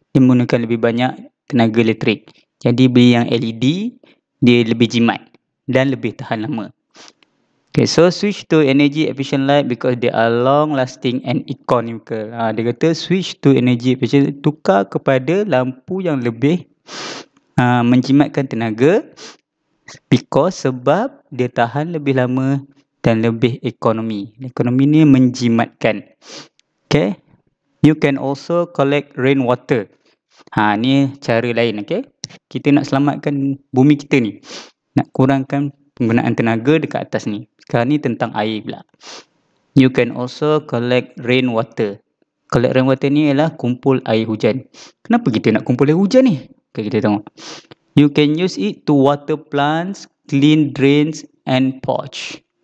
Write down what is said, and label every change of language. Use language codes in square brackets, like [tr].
[ms] Dia menggunakan lebih banyak tenaga elektrik. Jadi beli yang LED, dia lebih jimat dan lebih tahan lama. [en] Okay, so switch to energy efficient light because they are long lasting and economical. [ms] Dia kata [en] switch to energy efficient, [ms] tukar kepada lampu yang lebih menjimatkan tenaga because sebab dia tahan lebih lama dan lebih ekonomi. Ekonomi ni menjimatkan. [en] Okay, you can also collect rainwater. [ms] Ni cara lain, okay. Kita nak selamatkan bumi kita ni. Nak kurangkan penggunaan tenaga dekat atas ni. Sekarang ni tentang air pula. [en] You can also collect rainwater. Collect rainwater [ms] ni ialah kumpul air hujan. Kenapa kita nak kumpul air hujan ni? Okay, kita tengok. [en] You can use it to water plants, clean drains and porch.